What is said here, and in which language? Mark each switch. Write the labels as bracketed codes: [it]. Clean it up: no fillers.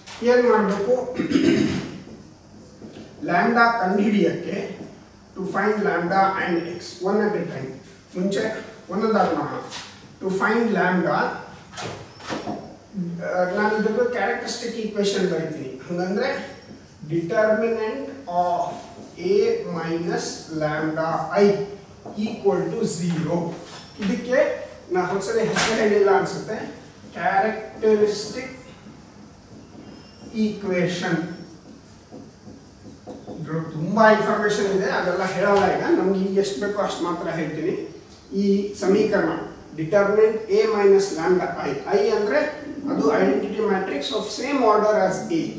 [kn] ಏನು ಮಾಡಬೇಕು lambda ಕಂಡುಹಿಡಿಯಕ್ಕೆ, [en] To find lambda and X one at a time. [kn] ಮುಂಚೆ ಒಂದೊಂದಾಗಿ ನೋಡೋಣ. [en] to find lambda, [kn] ನಾನು ಇದರ ಕ್ಯಾರೆಕ್ಟರಿಸ್ಟಿಕ್ ಈಕ್ವೇಷನ್ ಬರೀತೀನಿ. ಹಂಗಂದರೆ determinant [en] of a minus lambda I equal to 0. [kn] ಇದಕ್ಕೆ ನಾ ಹೊಸದ ಹೆಸರು ಹೇಳಿಲ್ಲ ಅನ್ಸುತ್ತೆ, ಕ್ಯಾರೆಕ್ಟರಿಸ್ಟಿಕ್ ಈಕ್ವೇಶನ್. ತುಂಬಾ ಇನ್ಫಾರ್ಮೇಶನ್ ಇದೆ, ಅದೆಲ್ಲ ಹೇಳಲ್ಲ ಈಗ, ನಮ್ಗೆ ಈಗ ಎಷ್ಟು ಬೇಕೋ ಅಷ್ಟು ಮಾತ್ರ ಹೇಳ್ತೀನಿ. ಈ ಸಮೀಕರಣ determinant A minus lambda I, I ಅಂದ್ರೆ ಅದು [en] Identity matrix of same order as A.